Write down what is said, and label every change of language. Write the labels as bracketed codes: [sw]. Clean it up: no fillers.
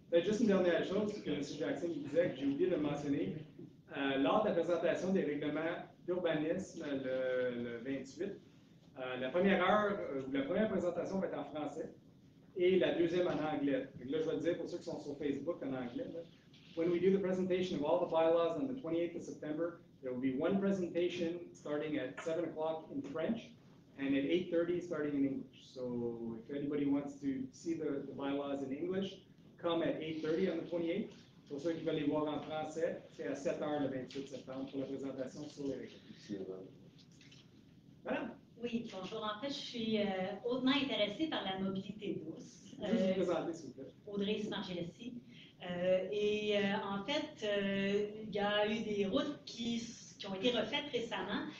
[fr] Ben, juste une dernière chose, c'est que Monsieur Jackson disait, que j'ai oublié de mentionner, lors de la présentation des règlements d'urbanisme le 28, la première heure, la première présentation va être en français et la deuxième en anglais. Donc là, je vais le dire pour ceux qui sont sur Facebook en anglais. [en] Là, when we do the presentation of all the bylaws on the 28th of September, there will be one presentation starting at 7 o'clock in French and at 8:30 starting in English. So if anybody wants to see the bylaws in English, come at 8:30 on the 28th. [fr] Pour ceux qui veulent les voir en français, c'est à 7h le 28 septembre pour la présentation sur les règles. Merci, madame. Madame? Oui, bonjour. En fait, je suis hautement intéressée par la mobilité douce. Juste vous présenter, s'il vous plaît. Audrey Smargelessi. En fait, il y a eu des routes qui ont été refaites récemment.